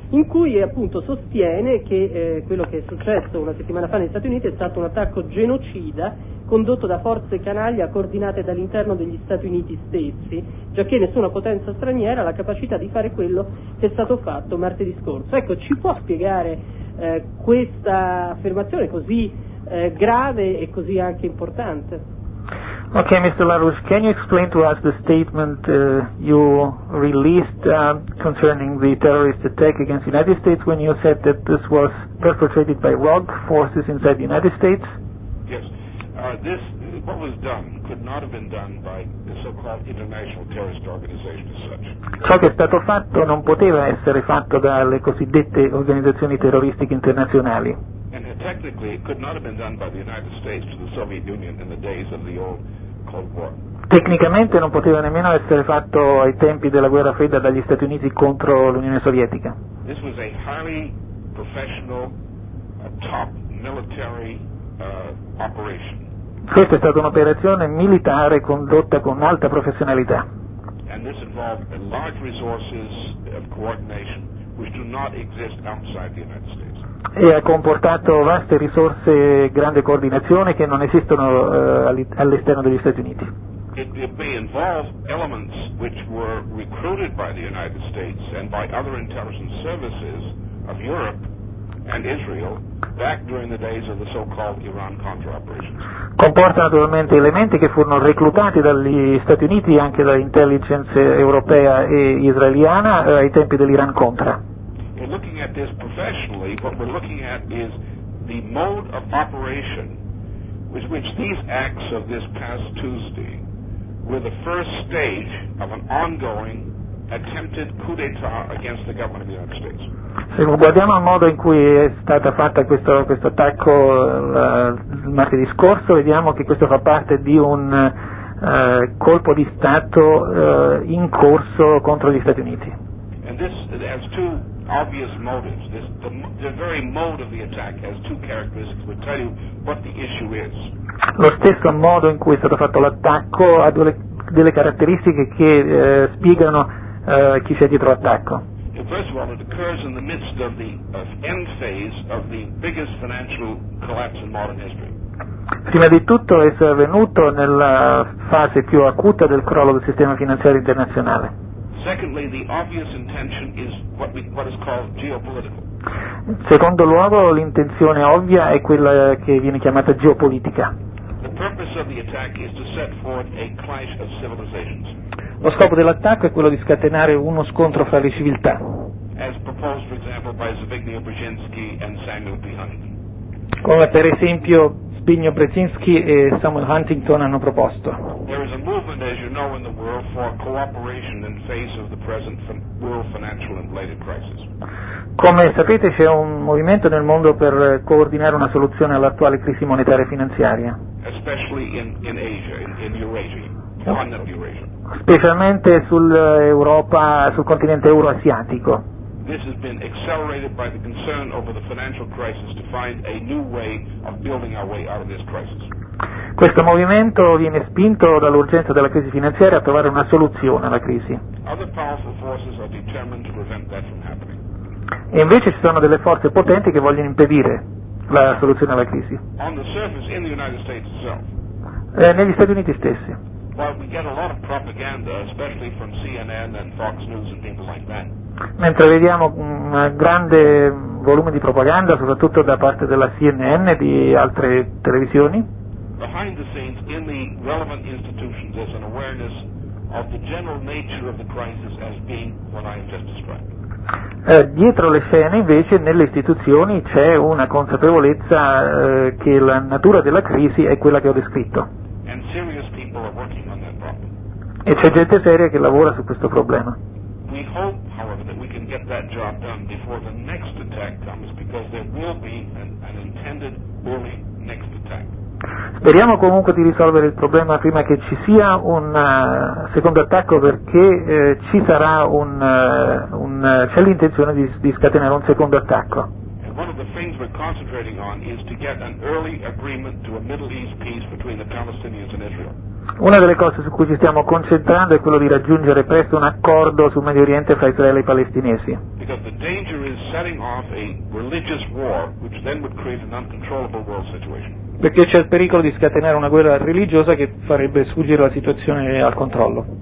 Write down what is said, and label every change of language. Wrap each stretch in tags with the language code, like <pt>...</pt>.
<it>in cui appunto sostiene che quello che è successo una settimana fa negli Stati Uniti è stato un attacco genocida condotto da forze canaglia coordinate dall'interno degli Stati Uniti stessi, giacché nessuna potenza straniera ha la capacità di fare quello che è stato fatto martedì scorso. Ecco, ci può spiegare questa affermazione così grave e così anche importante?</it> <en>Ok, Mr. LaRouche, can you explain to us the statement you released concerning the terrorist attack against the United States when you said that this was perpetrated by rogue forces inside the United States? Yes. This, what was done, could not have been done by the so-called international terrorist organization as such.</en> <it>Ciò che è stato fatto non poteva essere fatto dalle cosiddette organizzazioni terroristiche internazionali.</it> <en>And technically, it could not have been done by the United States to the Soviet Union in the days of the old Cold War.</en> <it>Tecnicamente non poteva nemmeno essere fatto ai tempi della Guerra Fredda dagli Stati Uniti contro l'Unione Sovietica.</it> <en>This was a highly professional, top military operation.</en> <it>Questa è stata un'operazione militare condotta con alta professionalità.</it> <en>And this involved large resources of coordination which do not exist outside the United States.</en> <it>E ha comportato vaste risorse, grande coordinazione che non esistono all'esterno degli Stati Uniti.</it> <en>It may involve elements which were recruited by the United States and by other intelligence services of Europe and Israel back during the days of the so-called Iran-Contra operations.</en> <it>Comporta naturalmente elementi che furono reclutati dagli Stati Uniti e anche dall'intelligence europea e israeliana ai tempi dell'Iran-Contra.</it> <en>Looking at this professionally, what we're looking at is the mode of operation with which these acts of this past Tuesday were the first stage of an ongoing attempted coup d'etat against the government of the United States.</en> <it>Se guardiamo al modo in cui è stata fatta questo attacco il martedì scorso, vediamo che questo fa parte di un colpo di Stato in corso contro gli Stati Uniti.</it> <en>And this has two obvious motives. The very mode of the attack has two characteristics which tell you what the issue is.</en> <it>Lo stesso modo in cui è stato fatto l'attacco ha delle caratteristiche che spiegano chi c'è dietro l'attacco.</it> <en>First of all, it occurs in the midst of the end phase of the biggest financial collapse in modern history.</en> <it>Prima di tutto esso è avvenuto nella fase più acuta del crollo del sistema finanziario internazionale.</it> <en>Secondly, the obvious intention is what is called geopolitical.</en> <it>Secondo luogo, l'intenzione ovvia è quella che viene chiamata geopolitica.</it> <en>The purpose of the attack is to set forth a clash of civilizations.</en> <it>Lo scopo dell'attacco è quello di scatenare uno scontro fra le civiltà.</it> <en>As proposed, for example, by Zbigniew Brzezinski and Samuel P. Huntington.</en> <it>Come per esempio Zbigniew Brzezinski e Samuel Huntington hanno proposto.</it> <en>There is a movement, as you know, in the world for cooperation in face of the present world financial inflated crisis.</en> <it>Come sapete, c'è un movimento nel mondo per coordinare una soluzione all'attuale crisi monetaria e finanziaria.</it> <en>Especially in Asia, in Eurasia, continental Eurasia.</en> <it>Specialmente sull'Europa, sul continente euroasiatico.</it> <en>This has been accelerated by the concern over the financial crisis to find a new way of building our way out of this crisis.</en> <it>Questo movimento viene spinto dall'urgenza della crisi finanziaria a trovare una soluzione alla crisi.</it> <en>Other powerful forces are determined to prevent that from happening.</en> <it>E invece ci sono delle forze potenti che vogliono impedire la soluzione alla crisi.</it> <en>On the surface in the United States itself.</en> <it>Negli Stati Uniti stessi.</it> <en>while we get a lot of propaganda, especially from CNN and Fox News and things like that.</en> <it>Mentre vediamo un grande volume di propaganda, soprattutto da parte della CNN e di altre televisioni,</it> <en>behind the scenes, in the relevant institutions, there's an awareness of the general nature of the crisis as being what I have just described.</en> <it>Dietro le scene, invece, nelle istituzioni c'è una consapevolezza che la natura della crisi è quella che ho descritto.</it> <en>And serious people are working on that problem.</en> <it>E c'è gente seria che lavora su questo problema.</it> <en>We hope, however, that we can get that job done before the next attack comes, because there will be an intended early next attack.</en> <it>Speriamo comunque di risolvere il problema prima che ci sia un secondo attacco, perché ci sarà c'è l'intenzione di scatenare un secondo attacco.</it> <en>And one of the things we're concentrating on is to get an early agreement to a Middle East peace between the Palestinians and Israel.</en> <it>Una delle cose su cui ci stiamo concentrando è quello di raggiungere presto un accordo sul Medio Oriente fra Israele e i palestinesi.</it> <en>Because the danger is setting off a religious war, which then would create an uncontrollable world situation.</en> <it>Perché c'è il pericolo di scatenare una guerra religiosa che farebbe sfuggire la situazione al controllo.</it>